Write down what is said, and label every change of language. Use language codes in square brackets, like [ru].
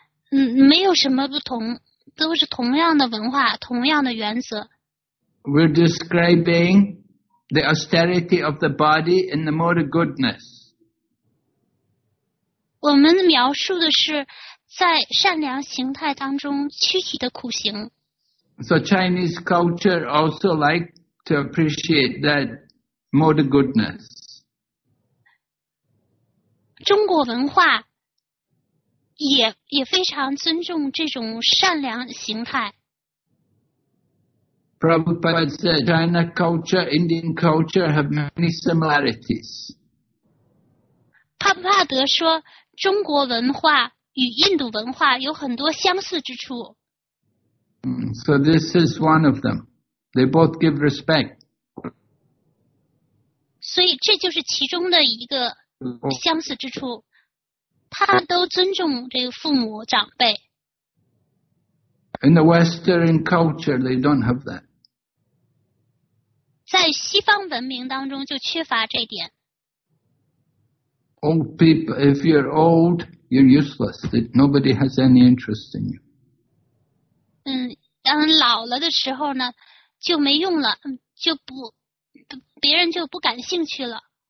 [zh] 没有什么不同，都是同样的文化，同样的原则。 [en] We're describing the austerity of the body in the mode of goodness. [zh] 我们描述的是在善良形态当中躯体的苦行。 [en] So Chinese culture also like to appreciate that mode of goodness. [zh] 中国文化也非常尊重这种善良形态。 [en] Prabhupada said China culture, Indian culture have many similarities. [zh] 帕帕德说中国文化与印度文化有很多相似之处。 [en] So this is one of them. They both give respect. [zh] 所以这就是其中的一个相似之处。他们都尊重这个父母长辈。 [en] In the Western culture, they don't have that. [zh] 在西方文明当中就缺乏这点。 [en] Old people, if you're old, you're useless. Nobody has any interest in you. [zh] 当老了的时候呢，就没用了，就不，别人就不感兴趣了。